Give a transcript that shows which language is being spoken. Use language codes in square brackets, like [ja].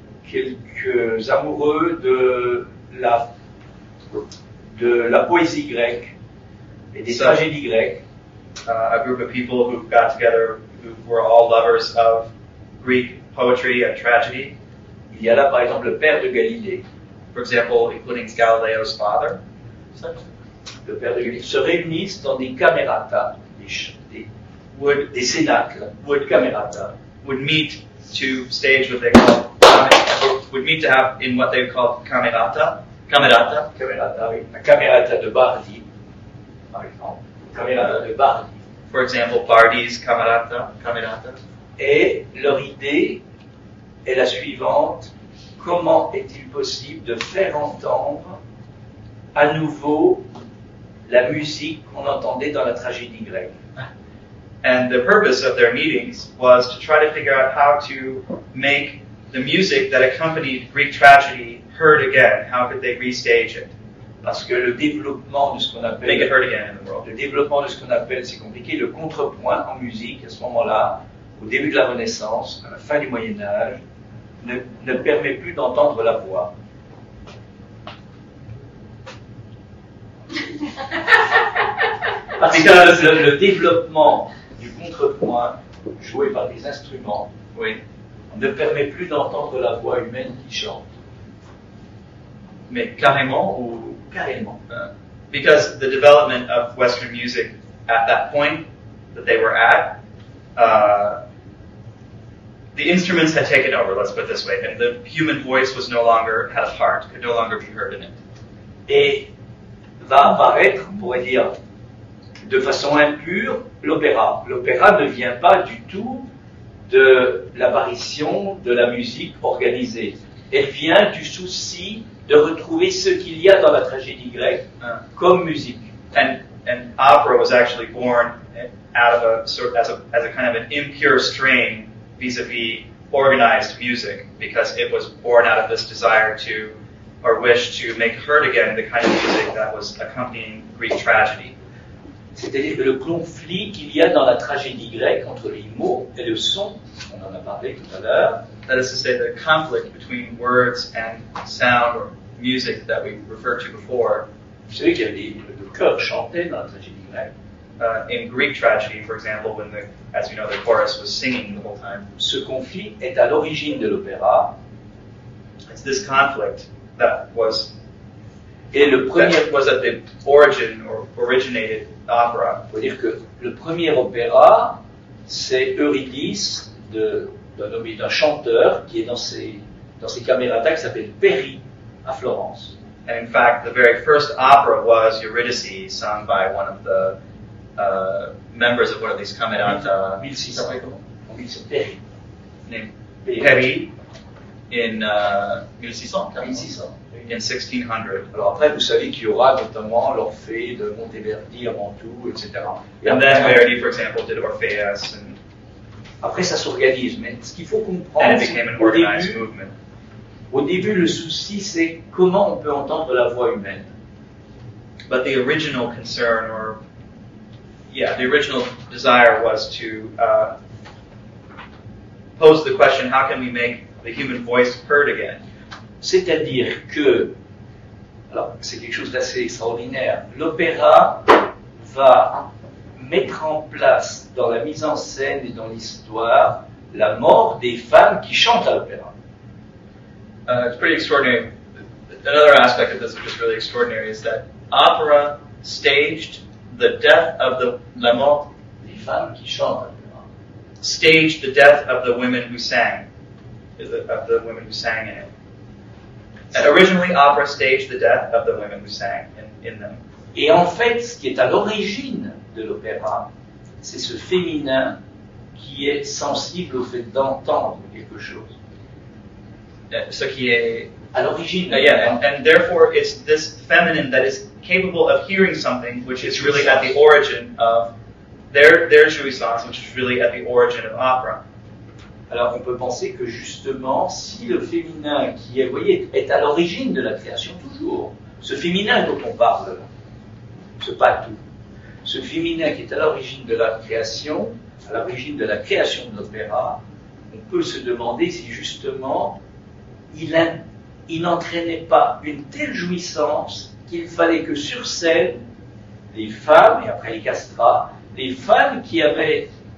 [fr] Quelques amoureux de la poésie grecque et des tragédies grecques. [en] A group of people who got together who were all lovers of Greek poetry and tragedy. [fr] Il y a là, par exemple, le père de Galilée. [en] For example, including Galileo's father. [fr] Le père de Galilée. Se réunissent dans des camerata, des cénacles. [en] Would meet to stage what they call would meet to have in what they call camerata [fr] de Bardi, par exemple. Camerata de Bardi. [en] For example, Bardi's camerata. [fr] Et leur idée est la suivante: comment est-il possible de faire entendre à nouveau la musique qu'on entendait dans la tragédie grecque. [en] And the purpose of their meetings was to try to figure out how to make the music that accompanied Greek tragedy heard again. How could they restage it? [fr] Parce que le développement de ce qu'on appelle [en] make it heard again in the world. [fr] Le développement de ce qu'on appelle, c'est compliqué, le contrepoint en musique à ce moment-là, au début de la Renaissance, à la fin du Moyen Âge, ne permet plus d'entendre la voix. Parce que le développement du contrepoint joué par des instruments oui. ne permet plus d'entendre la voix humaine qui chante. Mais carrément ou carrément. [en] Because the development of Western music at that point that they were at, the instruments had taken over, let's put it this way, and the human voice was no longer had a part, could no longer be heard in it. [fr] Et va apparaître, on pourrait dire, de façon impure, l'opéra. L'opéra ne vient pas du tout de l'apparition de la musique organisée. Elle vient du souci de retrouver ce qu'il y a dans la tragédie grecque comme musique. [en] And opera was actually born out of a sort as a kind of an impure strain vis-à-vis organized music, because it was born out of this desire to or wish to make heard again the kind of music that was accompanying Greek tragedy. [fr] C'est-à-dire que le conflit qu'il y a dans la tragédie grecque entre les mots et le son, on en a parlé tout à l'heure. [en] That is to say, the conflict between words and sound or music that we referred to before. [fr] Vous savez qu'il y a le chœur chanté dans la tragédie grecque. [en] In Greek tragedy, for example, when the, as you know, the chorus was singing the whole time. [fr] Ce conflit est à l'origine de l'opéra. [en] It's this conflict that was. [fr] Et le premier [en] was at the origin or originated opera. [fr] On peut dire que le premier opéra, c'est Eurydice d'un chanteur qui est dans ses cameratas qui s'appelle Péri à Florence. [en] And in fact, the very first opera was Eurydice, sung by one of the members of one of these cameratas. [fr] 1600. Péri. [en] Name Péri. In 1600. In 1600. [fr] Alors après, vous savez qu'il y aura notamment l'Orphée de Monteverdi avant tout, etc. [en] And then Verdi, for example, did Orpheus. And [fr] après, ça s'organise. Mais ce qu'il faut comprendre, [en] and it became an organized movement. [fr] Au début, le souci, c'est comment on peut entendre la voix humaine. [en] But the original concern, or yeah, the original desire was to pose the question, how can we make the human voice heard again. [fr] C'est-à-dire que, alors c'est quelque chose d'assez extraordinaire, l'opéra va mettre en place dans la mise en scène et dans l'histoire la mort des femmes qui chantent à l'opéra. [en] It's pretty extraordinary. Another aspect of this which is really extraordinary is that opera staged the death of [fr] la mort des femmes qui chantent à l'opéra. [en] Staged the death of the women who sang. Of the women who sang in it. And originally, opera staged the death of the women who sang in them. [fr] Et en fait, ce qui est à l'origine de l'opéra, c'est ce féminin qui est sensible au fait d'entendre quelque chose. Ce qui est à l'origine. [en] Yeah, and therefore, it's this feminine that is capable of hearing something, which is really at the origin of their jouissance, which is really at the origin of opera. [fr] Alors, on peut penser que justement, si le féminin qui est, vous voyez, est à l'origine de la création toujours, ce féminin dont on parle, ce patou, ce féminin qui est à l'origine de la création, à l'origine de la création de l'opéra, on peut se demander si justement, il n'entraînait pas une telle jouissance qu'il fallait que sur scène, les femmes, et après les castrats, les femmes qui avaient...